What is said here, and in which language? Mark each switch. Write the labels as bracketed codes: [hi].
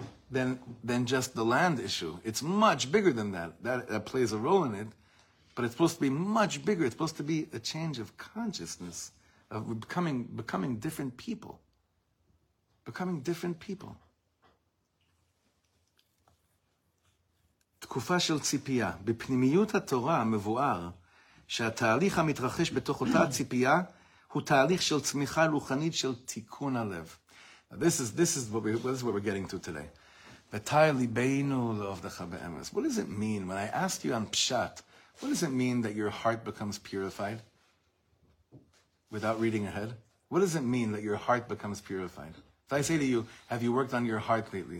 [en] Than just the land issue. It's much bigger than that. That plays a role in it, but it's supposed to be much bigger. It's supposed to be a change of consciousness, of becoming different people. Becoming different people. [he] תקופה של ציפייה. בפנימיות התורה מבואר שהתהליך המתרחש בתוך אותה ציפייה הוא תהליך של צמיחה רוחנית של תיקון הלב. [en] This is what we're getting to today. What does it mean when I asked you on Pshat, what does it mean that your heart becomes purified without reading ahead? What does it mean that your heart becomes purified? If I say to you, have you worked on your heart lately?